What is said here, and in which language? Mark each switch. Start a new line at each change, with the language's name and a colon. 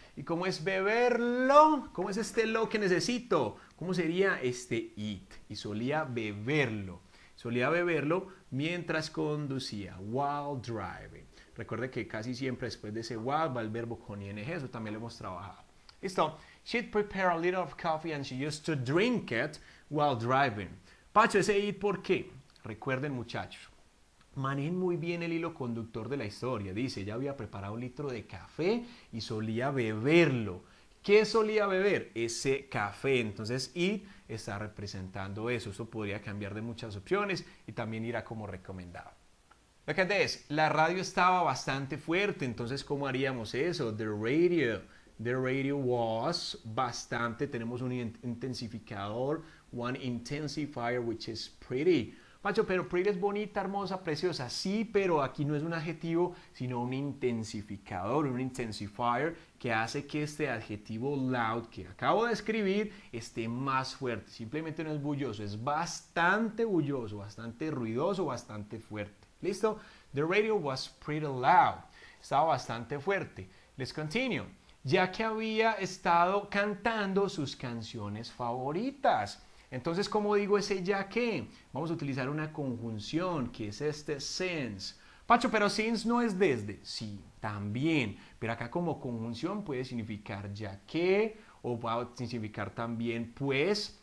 Spanish: ¿Y cómo es beberlo? ¿Cómo es este lo que necesito? ¿Cómo sería este it? Y solía beberlo. Solía beberlo mientras conducía.
English: While driving.
Spanish: Recuerde que casi siempre después de ese while va el verbo con ing. Eso también lo hemos trabajado. Listo.
English: She'd prepare a little of coffee and she used to drink it while driving.
Spanish: Pacho, ese it, ¿por qué? Recuerden, muchachos. Manejen muy bien el hilo conductor de la historia. Dice, ella había preparado un litro de café y solía beberlo. ¿Qué solía beber? Ese café. Entonces, it está representando eso. Eso podría cambiar de muchas opciones y también irá como recomendado.
English: Look at this.
Spanish: La radio estaba bastante fuerte. Entonces, ¿cómo haríamos eso?
English: The radio was bastante.
Spanish: Tenemos un intensificador,
English: one intensifier, which is pretty.
Spanish: Pacho, pero pretty es bonita, hermosa, preciosa. Sí, pero aquí no es un adjetivo, sino un intensificador, un intensifier, que hace que este adjetivo loud que acabo de escribir esté más fuerte. Simplemente no es bulloso, es bastante bulloso, bastante ruidoso, bastante fuerte. ¿Listo?
English: The radio was pretty loud.
Spanish: Estaba bastante fuerte.
English: Let's continue.
Spanish: Ya que había estado cantando sus canciones favoritas. Entonces, ¿cómo digo ese ya que? Vamos a utilizar una conjunción, que es este since. Pacho, pero since no es desde. Sí, también. Pero acá como conjunción puede significar ya que, o puede significar también pues.